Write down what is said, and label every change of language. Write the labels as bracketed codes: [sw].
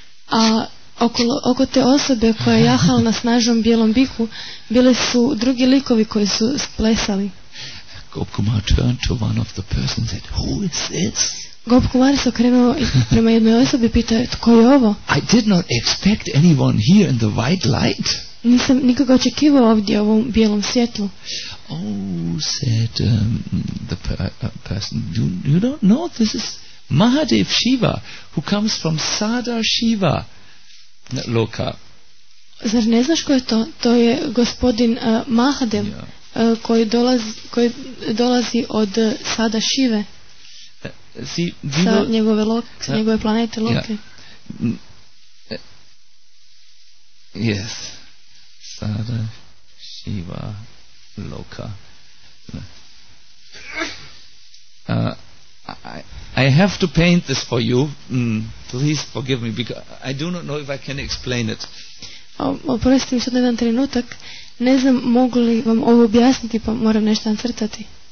[hr] A oko te osobe koja je jahala na snažnom bijelom biku, bile su drugi likovi koji su plesali. [en] Gop Kumar turned to one of the persons and said, "Who is this?" [hr] Gop Kumar se okrenuo prema jednoj osobi i pitao, "Tko je ovo?" [en] I did not expect anyone here in the white light. [hr] Nisam nikoga očekivao ovdje u ovom bijelom svjetlu. [en] "Oh," said the person, "you don't know, this is Mahadev Shiva who comes from Sada Shiva Loka." [hr] Zar ne znaš ko je to? To je gospodin Mahadev. Yeah. Koji dolazi od Sada Šive, sa njegove loke, sa njegove planete Loke. [en] Yes, Sada Šiva Loka. I have to paint this for you. Please forgive me, because I do not know if I can explain it. [hr] Oprosti mi sad jedan trenutak. Ne znam mogu li vam ovo objasniti, pa moram nešto nacrtati.